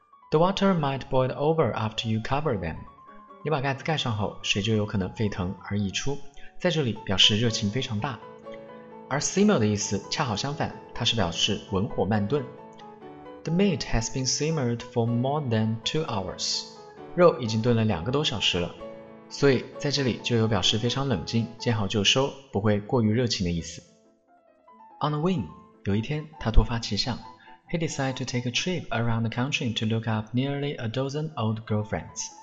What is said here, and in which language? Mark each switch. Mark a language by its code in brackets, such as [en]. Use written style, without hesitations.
[en] The water might boil over after you cover them. [zh] 你把盖子盖上后,水就有可能沸腾而溢出。在这里表示热情非常大，而 simmer 的意思恰好相反，它是表示文火慢炖。 [en] The meat has been simmered for more than 2 hours. [zh] 肉已经炖了两个多小时了，所以在这里就有表示非常冷静，见好就收，不会过于热情的意思。 [en] On the wing, [zh] 有一天他突发奇想 [en] ，He decided to take a trip around the country to look up nearly a dozen old girlfriends.